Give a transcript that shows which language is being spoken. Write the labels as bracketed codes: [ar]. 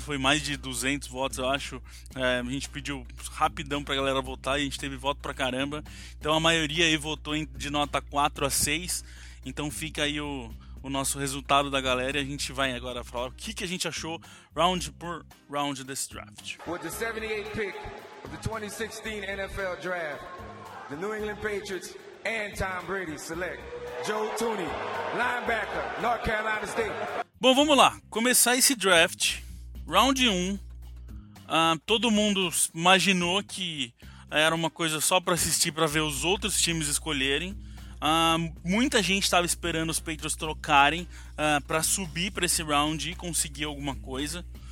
[pt] Foi mais de 200 votos, eu acho. É, a gente pediu rapidão pra galera votar e a gente teve voto pra caramba. Então, a maioria aí votou de nota 4 a 6. Então, fica aí o nosso resultado da galera e a gente vai agora falar o que a gente achou round por round desse draft. [en] With the 78th pick of the 2016 NFL Draft, the New England Patriots and Tom Brady select Joe Tooney, linebacker, North Carolina State. [pt] Bom, vamos lá. Começar esse draft, round 1. Todo mundo imaginou que era uma coisa só para assistir, para ver os outros times escolherem. Muita gente estava esperando os Patriots trocarem para subir para esse round e conseguir alguma coisa.